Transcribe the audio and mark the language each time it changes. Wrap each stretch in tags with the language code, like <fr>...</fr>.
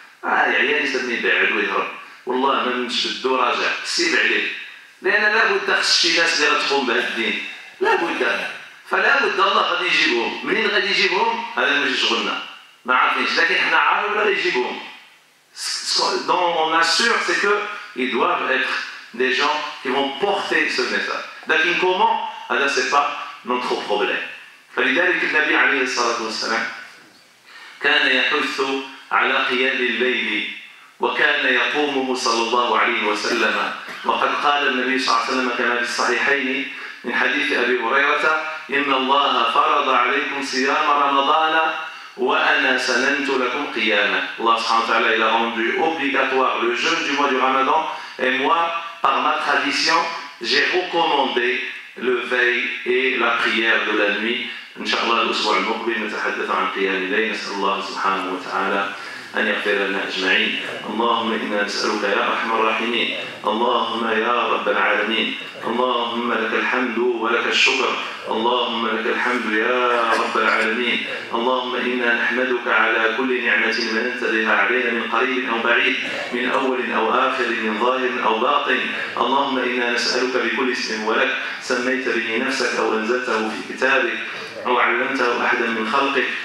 <ar>Ah, يعني يعني يستمي بعد ويهرب. والله ما نشد راجع. سيب عليه. لأن لا بد تخش شي ناس اللي غتقوم بهذا الدين. لا بد. فلا بد الله غادي يجيبهم. منين غادي يجيبهم؟ هذا ماشي شغلنا. ما عارفينش. لكن حنا عارفين ولا غادي يجيبهم.</ar> <fr>Ce dont on assure, c'est qu'ils doivent être des gens qui vont porter ce message. Donc, comment ? Alors, ce n'est pas notre problème.</fr> <ar>فلذلك النبي عليه الصلاة والسلام كان يحث على قيام الليل وكان يقومه صلى الله عليه وسلم. وقد قال النبي صلى الله عليه وسلم كما في الصحيحين من حديث أبي هريرة: إن الله فرض عليكم صيام رمضان وأنا سننت لكم قيامة. الله سبحانه وتعالى</ar> <fr>il a rendu obligatoire le jeûne du mois du Ramadan et moi par ma tradition j'ai recommandé le veille et la prière de la nuit.</fr> <ar>إن شاء الله الأسبوع المقبل نتحدث عن قيام الليل. نسأل الله سبحانه وتعالى أن يغفر لنا أجمعين. اللهم إنا نسألك يا أرحم الراحمين، اللهم يا رب العالمين، اللهم لك الحمد ولك الشكر، اللهم لك الحمد يا رب العالمين، اللهم إنا نحمدك على كل نعمة من بها علينا من قريب أو بعيد، من أول أو آخر، من ظاهر أو باطن، اللهم إنا نسألك بكل اسم ولك سميت به نفسك أو أنزلته في كتابك أو علمته أحدا من خلقك</ar>